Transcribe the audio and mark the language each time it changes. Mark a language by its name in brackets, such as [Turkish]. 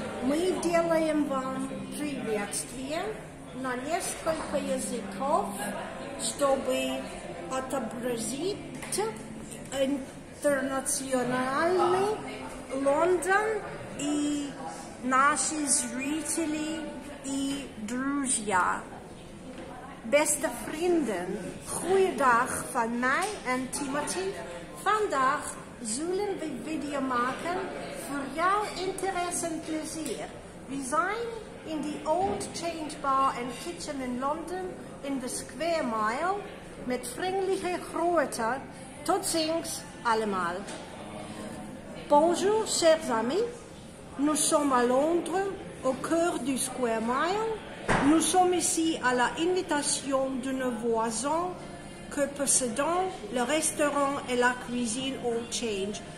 [Russian] Мы делаем вам приветствие на несколько языков, чтобы отобразить интернациональный Лондон и наши зрители и друзья. [Dutch] Beste vrienden, goeiedag van mij en Timothy. Vandaag zullen we video maken voor jouw interesse en plezier. We zijn in de Old Change Bar and Kitchen in London in de Square Mile met vriendelijke groeten. Tot ziens allemaal. [French] Bonjour chers amis, nous sommes à Londres au cœur du Square Mile. Nous sommes ici à la invitation de nos voisins que possédons le restaurant et la cuisine Old Change.